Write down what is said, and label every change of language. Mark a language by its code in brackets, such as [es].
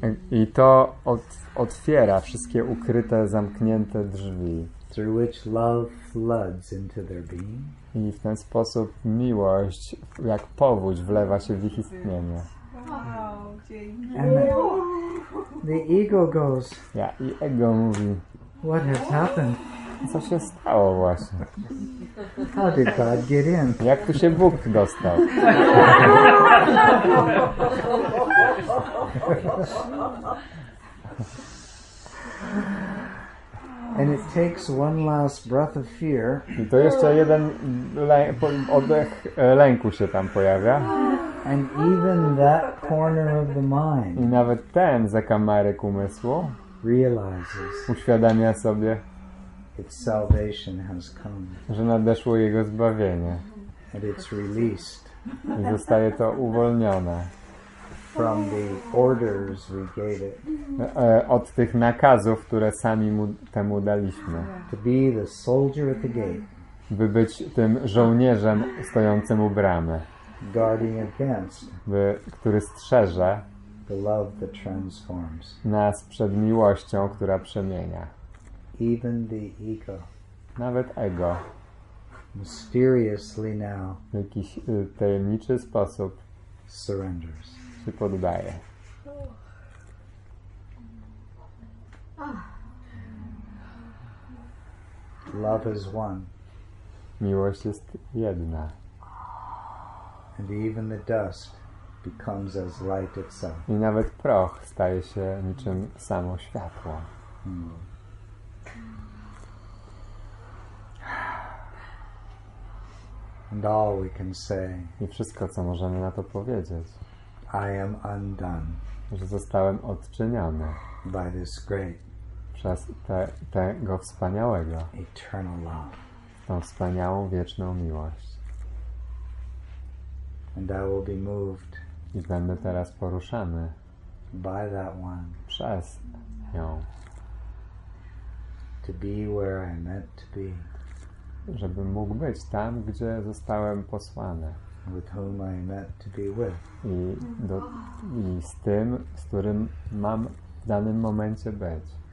[pl] I to otwiera wszystkie ukryte, zamknięte drzwi. [en] Through which love floods into their being. [pl] I w ten sposób miłość, jak powódź, wlewa się w ich istnienie. Wow, dzięki. [en] And the ego goes. [pl] Ja, i ego mówi. [en] What has happened? [pl] Co się stało właśnie? [en] How did God get in? [pl] Jak tu się Bóg dostał? [en] And it takes one last breath of fear. [pl] I to jeszcze jeden oddech lęku się tam pojawia. [en] And even that corner of the mind. [pl] I nawet ten zakamarek umysłu [en] realizes. [pl] Uświadamia sobie. [en] Its salvation has come. [pl] Że nadeszło jego zbawienie. [en] And it's released. [pl] I zostaje to uwolnione. [en] From the orders we gave it. [pl] Od tych nakazów, które sami temu daliśmy. [en] To be the soldier at the gate. [pl] By być tym żołnierzem stojącym u bramy. [en] Guarding against. [pl] Który strzeże. [en] The love that transforms. [pl] Nas przed miłością, która przemienia. [en] Even the ego. [pl] Nawet ego. [en] mysteriously now [pl] w jakiś tajemniczy sposób [en] surrenders. [pl] Się poddaje. [en] Love is one. [pl] Miłość jest jedna. [en] And even the dust becomes as light itself. [pl] I nawet proch staje się niczym samo światło. [en] And all we can say. [pl] I wszystko, co możemy na to powiedzieć. [en] I am undone. [pl] Że zostałem odczyniony. [en] By this great. [pl] Przez tego wspaniałego. [en] Eternal love. [pl] Tą wspaniałą, wieczną miłość. [en] And I will be moved. [pl] I będę teraz poruszany. [en] By that one. [pl] Przez nią. [en] To be where I meant to be. [pl] Żebym mógł być tam, gdzie zostałem posłany. [en] With whom I meant to be with. [pl] I z tym, z którym mam w danym momencie być.